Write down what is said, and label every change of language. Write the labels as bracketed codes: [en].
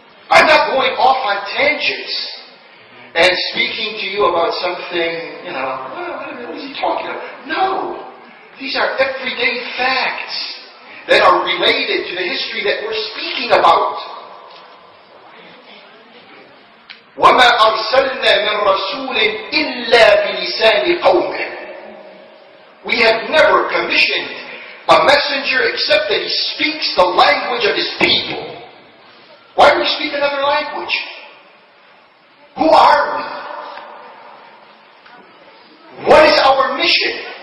[en] I'm not going off on tangents and speaking to you about something, what is he talking about? No! These are everyday facts that are related to the history that we're speaking about. [ar] وما أرسلنا من رسول إلا بلسان قومه. [en] We have never commissioned a messenger except that he speaks the language of his people. Why do we speak another language? Who are we? What is our mission?